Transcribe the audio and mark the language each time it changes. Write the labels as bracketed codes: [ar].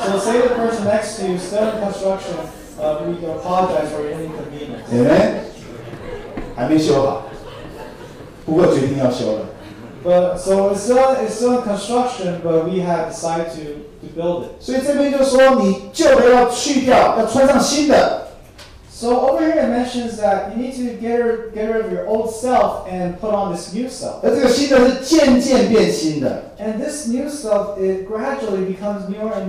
[en] So say the person next to you, still in construction, we can apologize for any inconvenience. [zh] 还没修好，不过决定要修了。 [en] But so it's still in construction, but we have decided to build it. [zh] 所以这边就说，你旧的要去掉，要穿上新的。 [en] So over here it mentions that you need to get rid of your old self and put on this new self. [zh] 而这个新的是渐渐变新的。 [en] And this new self, it gradually becomes newer and newer.